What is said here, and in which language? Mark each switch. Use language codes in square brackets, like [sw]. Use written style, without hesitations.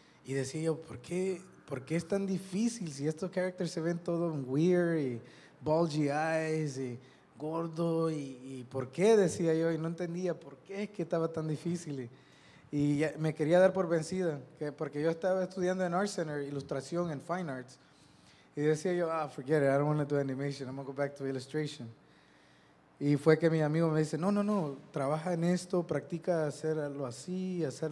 [es] Y decía yo, ¿Por qué es tan difícil si estos characters se ven todos [en] weird [es] y [en] bulgy eyes [es] y gordo? ¿Y por qué? Decía yo y no entendía por qué es que estaba tan difícil. Y me quería dar por vencida porque yo estaba estudiando en Art Center, ilustración en Fine Arts. Y decía yo, ah, [en] forget it, I don't want to do animation, I'm going to go back to illustration. [es] Y fue que mi amigo me dice, no, trabaja en esto, practica hacerlo así.